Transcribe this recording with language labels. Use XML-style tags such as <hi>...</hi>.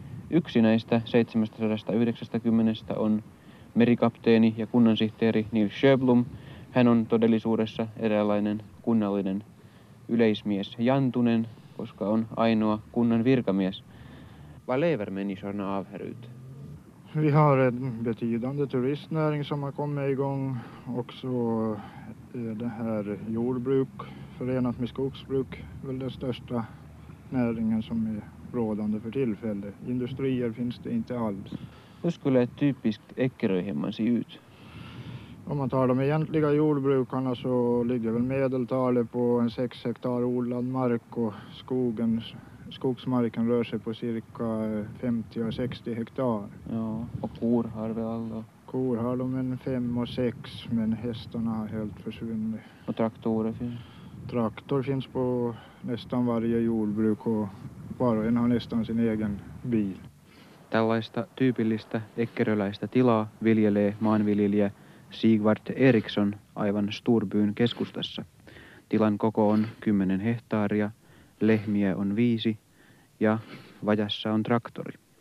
<fi>Yksi näistä 790 on merikapteeni ja kunnansihteeri Nils Sjöblom. Hän on todellisuudessa eräänlainen kunnallinen yleismies Jantunen, koska on ainoa kunnan virkamies.</fi> <sv>Vad lever människorna av här ute? Vi har en betydande turistnäring som har kommit igång. Och så är det här jordbruk förenat med skogsbruk väl den största näringen som är rådande för tillfället. Industrier finns det inte alls. Hur skulle ett typiskt Ekeröhemma se ut? Om man tar de egentliga jordbrukarna så ligger väl medeltalet på en 6 hektar odlad mark och skogsmarken rör sig på cirka 50 och 60 hektar. Ja, och kor har vi alla. Kor har de en 5 och 6, men hästarna har helt försvunnit. Och traktorer finns? Traktor finns på nästan varje jordbruk och var och en har nästan sin egen bil.</sv> <fi>Tällaista tyypillistä ekkeröläistä tilaa viljelee maanviljelijä Sigvard Eriksson aivan Storbyn keskustassa. Tilan koko on 10 hehtaaria. Lehmiä on 5 ja vajassa on traktori.</fi>